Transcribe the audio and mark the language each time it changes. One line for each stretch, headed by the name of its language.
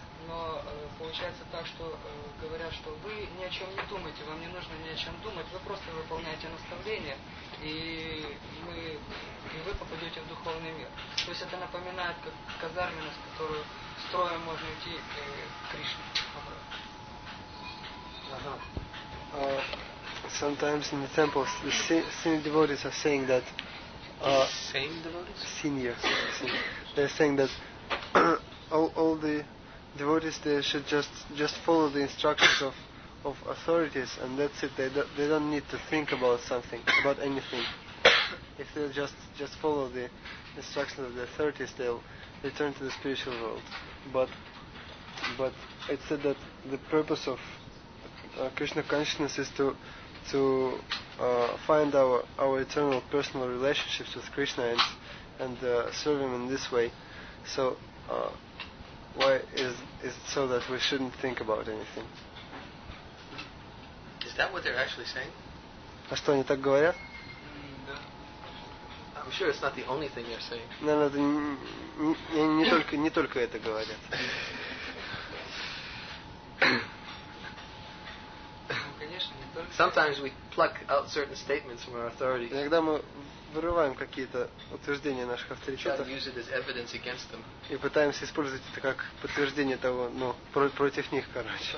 Russian: Но получается так, что говорят, что вы ни о чем не думаете, вам не нужно ни о чем думать, вы просто выполняете наставления, и вы попадете в духовный мир. То есть это напоминает как казармину, с которой строем можно идти к Кришне. Ага.
English: Sometimes in the temples, the senior devotees are saying that. They're saying that all the devotees there should just follow the instructions of authorities, and that's it. They don't need to think about something, about anything. If they just follow the instructions of the authorities, they'll return to the spiritual world. But it's said that the purpose of Krishna consciousness is to find our eternal personal relationships with Krishna and serve him in this way. So why is it so that we shouldn't think about anything? Is that what they're actually saying?
Russian: А что они так говорят?
English: I'm sure it's not the only thing they're saying.
Russian: No, это не только это говорят.
English: Sometimes we pluck out certain statements from our authorities.
Russian: Иногда мы вырываем какие-то утверждения наших авторитетов.
English: Try to use it as evidence against them.
Russian: И пытаемся использовать это как подтверждение того, ну, против них, короче.